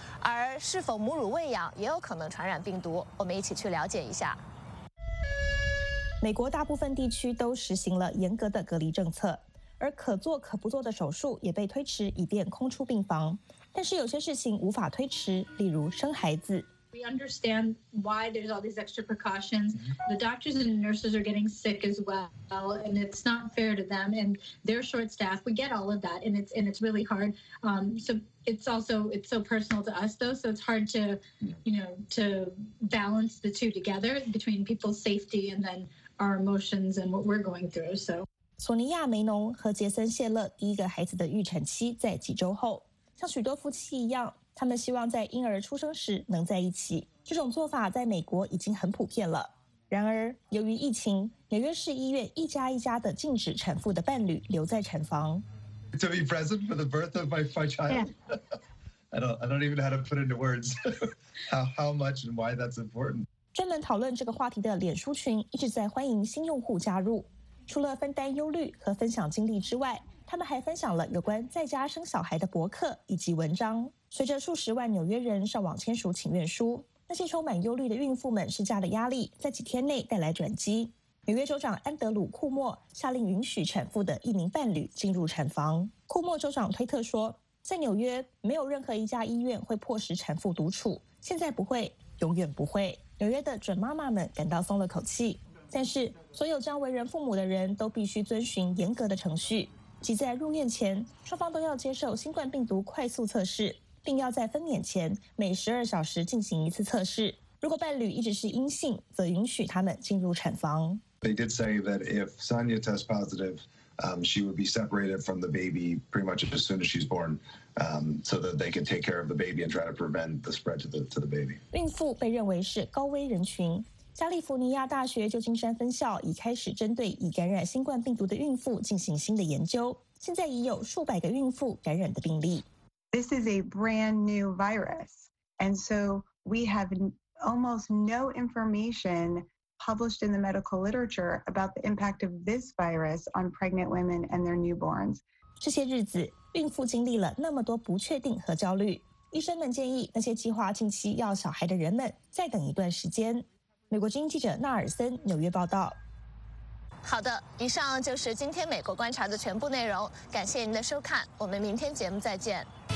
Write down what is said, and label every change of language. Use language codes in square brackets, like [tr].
[zh] 而是否母乳喂养也有可能传染病毒？我们一起去了解一下。美国大部分地区都实行了严格的隔离政策，而可做可不做的手术也被推迟，以便空出病房。但是有些事情无法推迟，例如生孩子。 [en] We understand why there's all these extra precautions. The doctors and nurses are getting sick as well, and it's not fair to them. And they're short staffed. We get all of that, and it's really hard. So it's so personal to us, though. So it's hard to, you know, to balance the two together between people's safety and then our emotions and what we're going through. So. [zh] 索尼亚·梅农和杰森·谢勒第一个孩子的预产期在几周后，像许多夫妻一样。他们希望在婴儿出生时能在一起，这种做法在美国已经很普遍了。然而，由于疫情，纽约市医院一家一家地禁止产妇的伴侣留在产房。 [en] To be present for the birth of my child,、 yeah. I don't even know how to put into words how much and why that's important. [zh] 专门讨论这个话题的脸书群一直在欢迎新用户加入，除了分担忧虑和分享经历之外，他们还分享了有关在家生小孩的博客以及文章。随着数十万纽约人上网签署请愿书，那些充满忧虑的孕妇们施加的压力在几天内带来转机。纽约州长安德鲁·库莫下令允许产妇的一名伴侣进入产房。库莫州长推特说，在纽约没有任何一家医院会迫使产妇独处，现在不会，永远不会。纽约的准妈妈们感到松了口气，但是所有将为人父母的人都必须遵循严格的程序，即在入院前双方都要接受新冠病毒快速测试，并要在分娩前每12小时进行一次测试。如果伴侣一直是阴性，则允许他们进入产房。 [en] They did say that if Sonia tests positive, she would be separated from the baby pretty much as soon as she's born, so that they could take care of the baby and try to prevent the spread to the baby. [zh] 孕妇被认为是高危人群，加利福尼亚大学旧金山分校已开始针对已感染新冠病毒的孕妇进行新的研究，现在已有数百个孕妇感染的病例。 [en] This is a brand new virus, and so we have almost no information published in the medical literature about the impact of this virus on pregnant women and their newborns. [zh] 这些日子，孕妇经历了那么多不确定和焦虑。医生们建议那些计划近期要小孩的人们再等一段时间。美国之音记者纳尔森，纽约报道。好的，以上就是今天美国观察的全部内容。感谢您的收看，我们明天节目再见。